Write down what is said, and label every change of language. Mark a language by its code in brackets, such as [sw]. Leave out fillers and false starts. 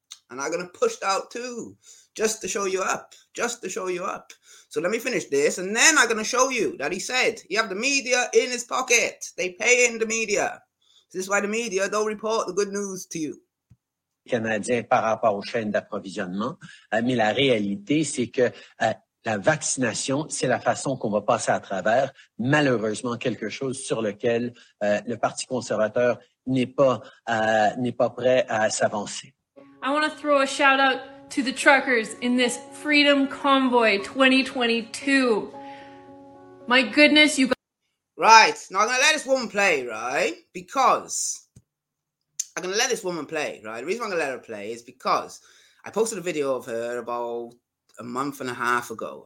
[en] And I'm going to push that out too, just to show you up, just to show you up. So let me finish this, and then I'm going to show you that he said you have the media in his pocket. They pay in the media. This is why the media don't report the good news to you. [fr] Canadiens par rapport aux chaînes d'approvisionnement. Mais la réalité, c'est que la vaccination, c'est la façon qu'on va passer à travers. Malheureusement, quelque chose sur lequel le Parti conservateur n'est pas prêt à s'avancer. [en] I want to throw a shout out to the truckers in this Freedom Convoy 2022. My goodness, you guys. Right. Now I'm going to let this woman play, right? Because I'm going to let this woman play, right? The reason I'm going to let her play is because I posted a video of her about a month and a half ago.